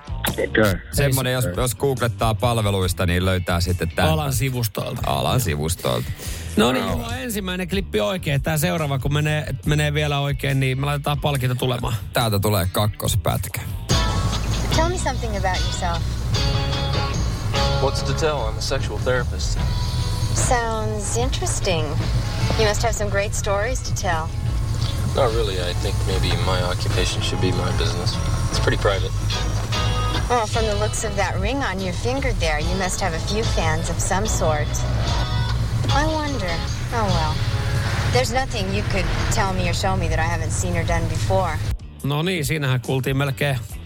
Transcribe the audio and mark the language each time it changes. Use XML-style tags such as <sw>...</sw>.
<en>Okay.</en> <fi>Semmoinen, jos googlettaa palveluista, niin löytää sitten tämän. Alan sivustolta. No niin, Juho, ensimmäinen klippi oikein. Tämä seuraava, kun menee vielä oikein, niin me laitetaan palkinta tulemaan. Täältä tulee kakkospätkä.</fi> <en>Tell me something about yourself. What's to tell? I'm a sexual therapist. Sounds interesting. You must have some great stories to tell. Not really. I think maybe my occupation should be my business. It's pretty private. Well, from the looks of that ring on your finger there, you must have a few fans of some sort. I wonder. Oh, well. There's nothing you could tell me or show me that I haven't seen or done before.</en> <fi>No niin, siinähän kuultiin melkein.</fi>